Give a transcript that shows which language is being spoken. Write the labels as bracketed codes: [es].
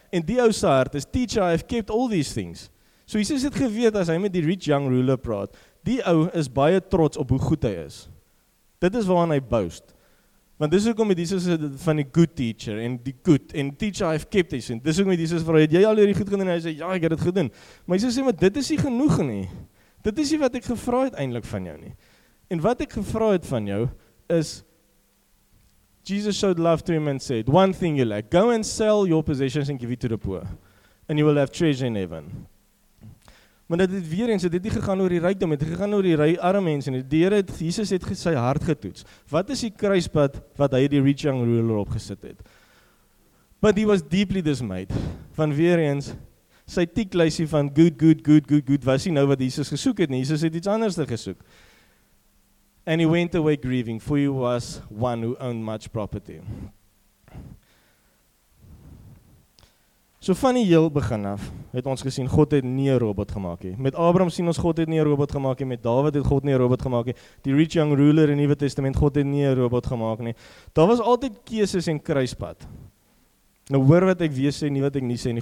[af] En die ou sy hart is, [en] teacher, I have kept all these things. [af] So Jesus het geweet, as hy met die rich young ruler praat, die ou is baie trots op hoe goed hy is. Dit is waaraan hy boast. Want dis hoekom met Jesus van die good teacher, en die good, en [en] teacher, I have kept these things. [af] Dis hoekom met Jesus vra, het jy al hierdie goed gedoen? En hy sê, ja, ek het dit gedoen. Maar Jesus sê, maar dit is nie genoeg nie. Dit is nie wat ek gevra het eindelijk van jou nie. En wat ek gevra het van jou, is, [en] Jesus showed love to him and said, one thing you lack, go and sell your possessions and give it to the poor, and you will have treasure in heaven. [af] Maar dat het weer eens, het het nie gegaan oor die rykdom, het gegaan oor die arme mense, en die Here, Jesus het sy hart getoets. Wat is die kruispad wat hy die rich young ruler opgesit het? [en] But he was deeply dismayed, [af] van weer eens, sy tiekluisie van good, good, good, good, good, was nie nou wat Jesus gesoek het nie, Jesus het iets anders gesoek. [en] And he went away grieving, for he was one who owned much property. [af] So van die heel begin af, het ons gesien, God het nie 'n robot gemaak nie. Met Abraham sien ons, God het nie 'n robot gemaak nie. Met David het God nie 'n robot gemaak nie. Die rich young ruler in die Nuwe Testament, God het nie 'n robot gemaak nie. Daar was altyd keuses en kruispad. Nou hoor wat ek weer sê, nie wat ek nie sê nie.